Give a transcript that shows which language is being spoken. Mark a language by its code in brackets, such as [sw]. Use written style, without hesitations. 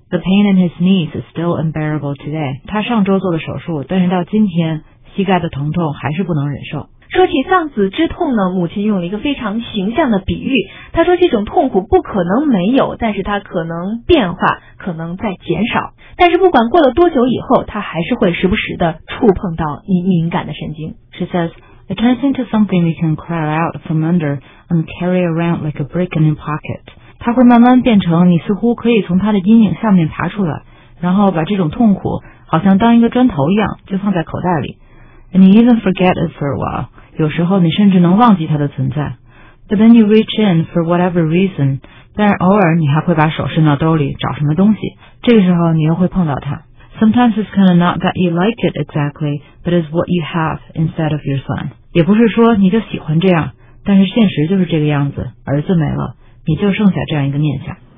[en] The pain in his knees is still unbearable today. [zh] 他上周做了手术，但是到今天膝盖的疼痛还是不能忍受。说起丧子之痛呢，母亲用了一个非常形象的比喻，她说这种痛苦不可能没有，但是它可能变化，可能在减少，但是不管过了多久以后，它还是会时不时的触碰到你敏感的神经。 [en] She says, it turns into something you can crawl out from under and carry around like a brick in your pocket. [zh] 它会慢慢变成你似乎可以从它的阴影下面爬出来，然后把这种痛苦好像当一个砖头一样就放在口袋里。 [en] And you even forget it for a while. [zh] 有时候你甚至能忘记它的存在。 [en] But then you reach in for whatever reason. [zh] 但偶尔你还会把手伸到兜里找什么东西。这个时候你又会碰到它。 [en] Sometimes it's kind of not that you like it exactly, but it's what you have instead of your son. [zh] 也不是说你就喜欢这样，但是现实就是这个样子。儿子没了，你就剩下这样一个念想。